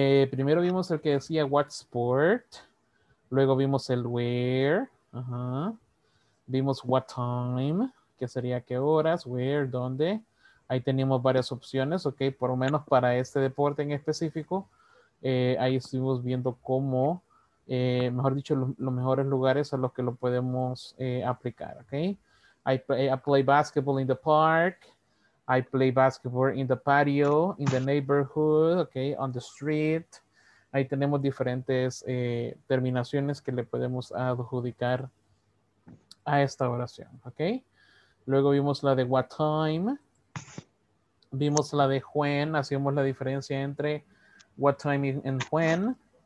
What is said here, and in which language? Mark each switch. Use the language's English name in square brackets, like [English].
[Spanish] Primero vimos el que decía what sport, luego vimos el where, vimos what time, que sería qué horas, where, dónde. Ahí teníamos varias opciones, ¿ok? Por lo menos para este deporte en específico, ahí estuvimos viendo cómo, mejor dicho, los mejores lugares a los que lo podemos aplicar, ¿ok? [English] I play basketball in the park. I play basketball in the patio, in the neighborhood, okay, on the street. [Spanish] Ahí tenemos diferentes terminaciones que le podemos adjudicar a esta oración, okay. Luego vimos la de what time. Vimos la de when. Hacíamos la diferencia entre [English] what time and when.